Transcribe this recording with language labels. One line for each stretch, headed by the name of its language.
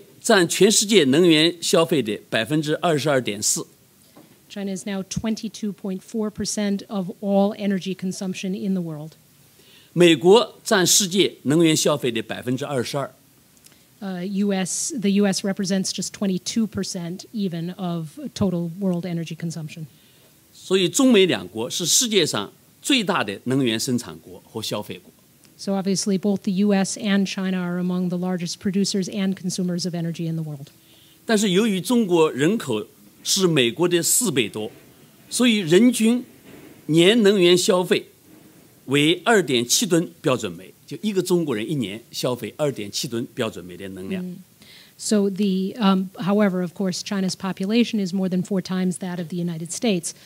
Chinese: 中国能源消费占全世界能源消费的 22.4%。
English: China is now 22.4% of all energy consumption in the world.
Chinese: 美国占世界能源消费的 22%。
English: The U.S. represents just 22% even of total world energy consumption.
Chinese: 所以中美两国是世界上最大的能源生产国和消费国。
English: So obviously both the U.S. and China are among the largest producers and consumers of energy in the world.
Chinese: 但是由于中国人口 是美国的四倍多，所以人均年能源消费为2.7吨标准煤，就一个中国人一年消费2.7吨标准煤的能量。So
English: the however, of course, China's population is more than four times that of the United States.